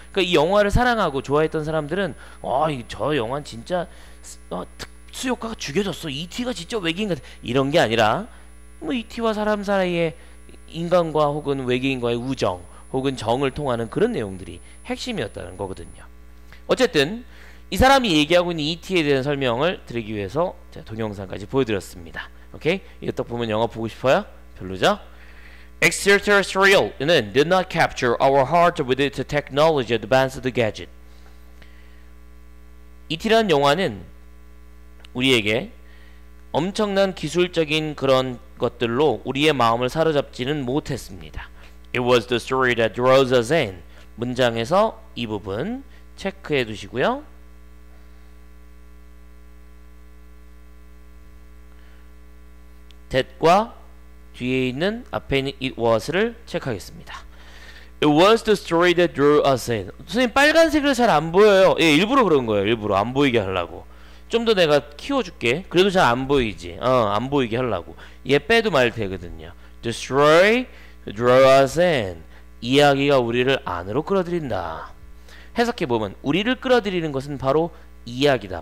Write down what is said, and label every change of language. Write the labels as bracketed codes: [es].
[ko] 그러니까 이 영화를 사랑하고 좋아했던 사람들은 저 영화는 진짜 특수효과가 죽여졌어. ET가 진짜 외계인 같아. 이런 게 아니라 뭐 ET와 사람 사이에 인간과 혹은 외계인과의 우정 혹은 정을 통하는 그런 내용들이 핵심이었다는 거거든요. 어쨌든 이 사람이 얘기하고 있는 ET에 대한 설명을 드리기 위해서 제가 동영상까지 보여드렸습니다. 오케이? 이거 딱 보면 영화 보고 싶어요? 별로죠? [en] Extraterrestrial는 did not capture our heart with its technology advanced gadget. [ko] ET라는 영화는 우리에게 엄청난 기술적인 그런 것들로 우리의 마음을 사로잡지는 못했습니다. [en] It was the story that draws us in. [ko] 문장에서 이 부분 체크해 두시고요. 대과 뒤에 있는 앞에 있는 it was를 체크하겠습니다. [en] It was the story that drew us in. [ko] 선생님 빨간색을 잘 안 보여요. 예, 일부러 그런 거예요. 일부러 안 보이게 하려고. 좀 더 내가 키워줄게. 그래도 잘 안 보이지. 안 보이게 하려고. 얘 빼도 말 되거든요. [en] The story drew us in. [ko] 이야기가 우리를 안으로 끌어들인다. 해석해보면 우리를 끌어들이는 것은 바로 이야기다.